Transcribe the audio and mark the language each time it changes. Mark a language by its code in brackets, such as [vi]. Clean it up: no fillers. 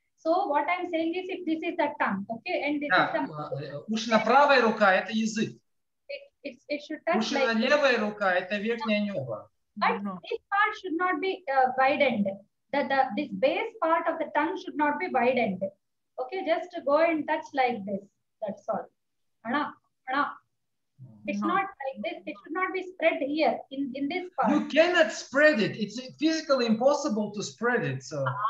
[en] So what I'm saying is, if this is the tongue, okay, and this is the mouth. [ru] Ушна правая рука – это язык. [en] It should touch. [ru] Ушна [en] like [ru] левая рука – это верхнее небо. [en] But this part should not be widened. This base part of the tongue should not be widened. Okay, just go and touch like this. That's all. Not like this. It should not be spread here in this part. You cannot spread it. It's physically impossible to spread it. So.